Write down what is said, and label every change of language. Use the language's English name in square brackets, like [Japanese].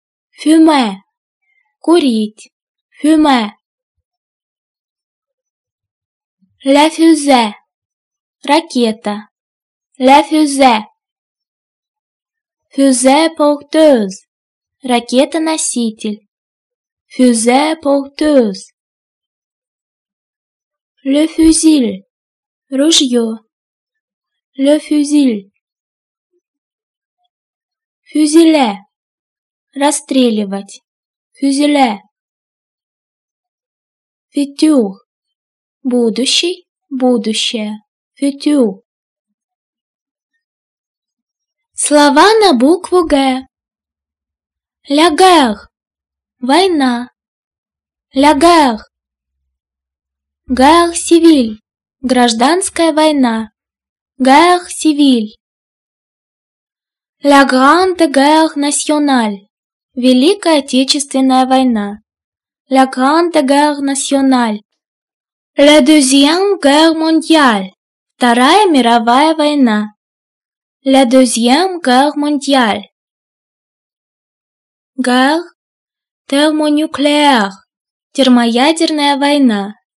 [French] Fumé – [Russian] курить. [French] Fumé. La fusée – [Russian] ракета. [French] La fusée. Fusée porteuse – [Russian] ракета-носитель. [French] Fusée porteuse. Le fusil. [Russian] Ружье. [French] Le fusil. Fusilé. [Russian] Расстреливать. [French] Fusilé. Futur. [Russian] Будущий. Будущее. [French] Futur. [Russian] Слова на букву Г. [French] La guerre. [Russian] Война. La guerre. [French] Guerre civile. [Russian] Гражданская война. [French] Guerre civile. La grande guerre nationale. [Russian] Великая Отечественная война. [French] La grande guerre nationale. La deuxième guerre mondiale. [Russian] Вторая мировая война. [French] La deuxième guerre mondiale. Guerre thermonucléaire. [Russian] Термоядерная война.